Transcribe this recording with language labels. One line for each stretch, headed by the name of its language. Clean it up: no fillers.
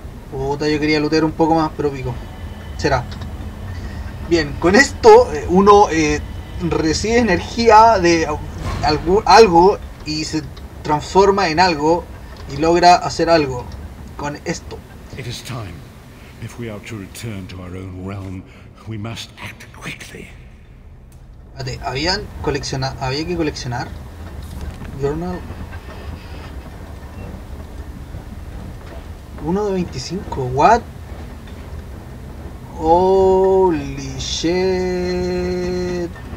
Spanish: Puta, yo quería lootear un poco más, pero pico. Será. Bien, con esto uno recibe energía de algo y se transforma en algo y logra hacer algo con esto.
English: It is time. If we are to return to our own realm, we must act quickly.
Spanish: Vale, había que coleccionar journal 1 de 25.
English: What? Holy shit.